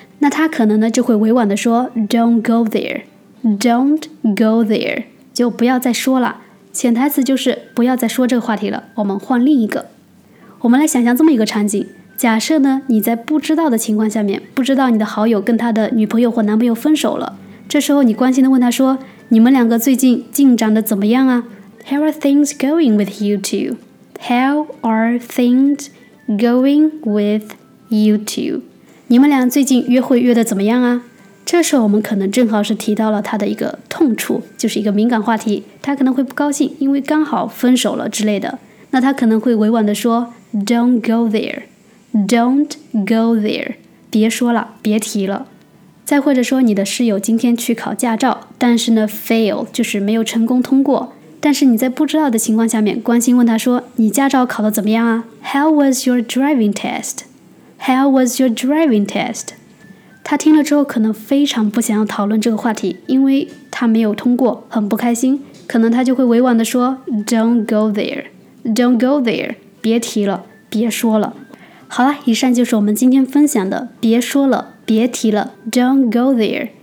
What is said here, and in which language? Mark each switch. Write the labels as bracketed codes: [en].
[zh] 那他可能呢就会委婉的说 [en] don't go there， don't go there， [zh] 就不要再说了，潜台词就是不要再说这个话题了，我们换另一个。我们来想象这么一个场景，假设呢你在不知道的情况下面，不知道你的好友跟他的女朋友或男朋友分手了，这时候你关心的问他说，你们两个最近进展的怎么样啊？ [en] How are things going with you two? How are things going with you two? [zh] 你们俩最近约会约的怎么样啊？这时候我们可能正好是提到了他的一个痛处，就是一个敏感话题，他可能会不高兴，因为刚好分手了之类的。那他可能会委婉的说 [en] Don't go there, don't go there， [zh] 别说了，别提了。再或者说你的室友今天去考驾照，但是呢 fail 就是没有成功通过，但是你在不知道的情况下面关心问他说，你驾照考得怎么样啊？ [en] How was your driving test? How was your driving test? [zh] 他听了之后可能非常不想要讨论这个话题，因为他没有通过，很不开心，可能他就会委婉的说 [en] Don't go there, don't go there， [zh] 别提了，别说了。好了，以上就是我们今天分享的别说了，别提了， [en] don't go there。